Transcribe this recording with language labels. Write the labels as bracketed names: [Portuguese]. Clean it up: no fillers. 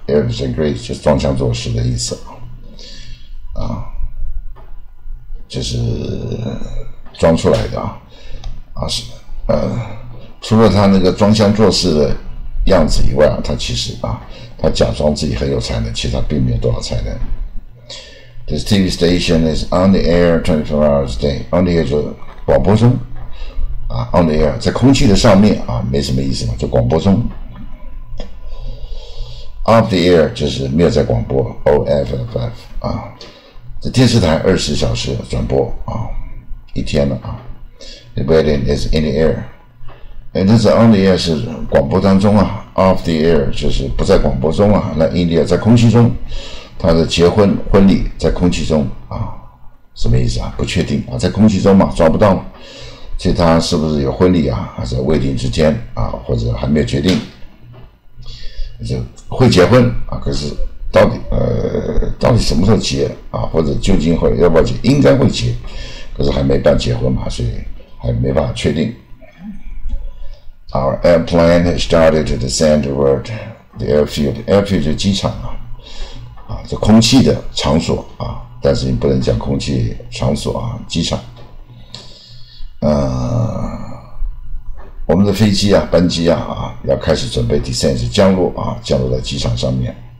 [English] airs and graces [Chinese] 就是装腔作势的意思啊，就是装出来的啊。除了他那个装腔作势的样子以外啊，他其实啊，他假装自己很有才能，其实他并没有多少才能。 [English] This TV station is on the air 24 hours a day. On the air [Chinese] 就广播中啊 ， [English] on the air [Chinese] 在空气的上面啊，没什么意思嘛，就广播中。 [English] Off the air [Chinese] 就是没有在广播 ，off 啊，在电视台24小时转播啊，一天了啊。 [English] The building is in the air. And this on the air [Chinese] 是广播当中啊 [English] ，off the air [Chinese] 就是不在广播中啊，那 [English] in the air [Chinese] 在空气中。他的结婚婚礼在空气中啊，什么意思啊？不确定啊，在空气中嘛，抓不到。所以他是不是有婚礼啊？还是未定之间啊？或者还没有决定？就会结婚啊，可是到底什么时候结啊？或者究竟会要不要结？应该会结，可是还没办结婚嘛，所以还没办法确定。 [English] Our airplane has started to descend toward the airfield. [Chinese] Airfield 就是机场啊。啊，这空气的场所啊，但是你不能讲空气场所啊，机场。我们的飞机啊，班机啊，啊，要开始准备 descend 降落啊，降落在机场上面。